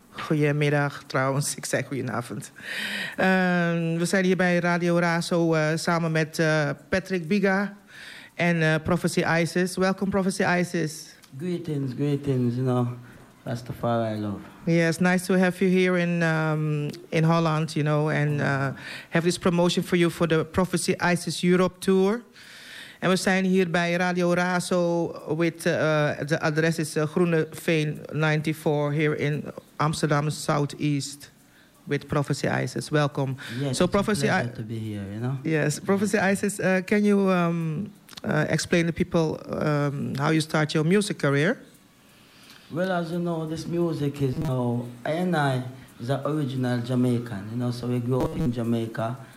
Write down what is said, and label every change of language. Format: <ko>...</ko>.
<nl>Goedemiddag trouwens, ik zeg goedenavond. We zijn hier bij Radio Razo samen met Patrick Biga en Prophecy Isis. Welkom Prophecy Isis.</nl> <en>Greetings, you know, Rastafari love. Yes, nice to have you here in Holland, you know, and have this promotion for you for the Prophecy Isis Europe Tour.</en> <nl>En we zijn hier bij Radio Razo, de adres is Groeneveen 94, hier in Amsterdam Southeast, with Prophecy Isis.</nl> <en>Welcome. Yes, so it's Prophecy, a pleasure to be here, you know? Yes, Prophecy Isis, can you explain to people how you start your music career? Well, as you know, this music is, you know, I and I is an original Jamaican, you know, so we grew up in Jamaica.</en>